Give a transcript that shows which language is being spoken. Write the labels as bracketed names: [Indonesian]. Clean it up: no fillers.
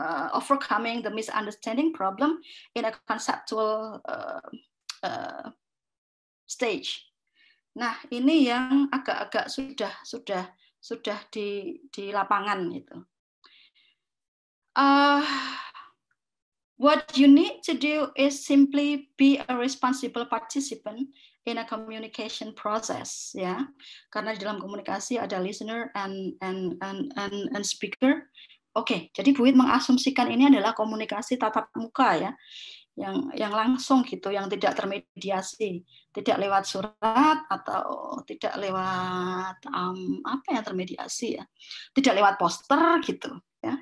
[English] Overcoming the misunderstanding problem in a conceptual stage. [Indonesian] Nah, ini yang agak-agak sudah di lapangan gitu. [English] What you need to do is simply be a responsible participant in a communication process, ya. [Indonesian] Karena di dalam komunikasi ada [English] listener and speaker. [Indonesian] Oke, jadi Bu Wit mengasumsikan ini adalah komunikasi tatap muka ya, yang langsung gitu, yang tidak termediasi, tidak lewat surat atau tidak lewat apa yang termediasi ya, tidak lewat poster gitu, ya.